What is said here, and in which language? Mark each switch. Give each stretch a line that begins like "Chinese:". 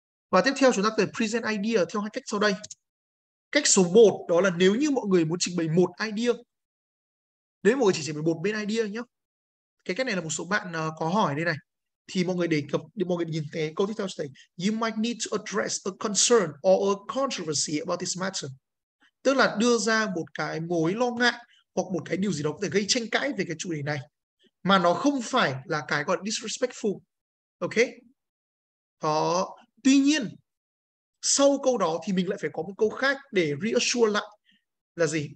Vietnamese: Và tiếp theo chúng ta cần present idea theo hai cách sau đây. Cách số 1 đó là nếu như mọi người muốn trình bày một idea. Nếu mọi người chỉ trình bày một bên idea nhé. Cái cách này là một số bạn có hỏi đây này. Thì mọi người đề cập, mọi người nhìn thấy câu tiếp theo sẽ thấy.
English: You might need to address a concern or a controversy about this matter.
Vietnamese: Tức là đưa ra một cái mối lo ngại hoặc một cái điều gì đó có thể gây tranh cãi về cái chủ đề này. Mà nó không phải là cái gọi là disrespectful. Ok? Đó. Tuy nhiên, sau câu đó thì mình lại phải có một câu khác để reassure lại là gì?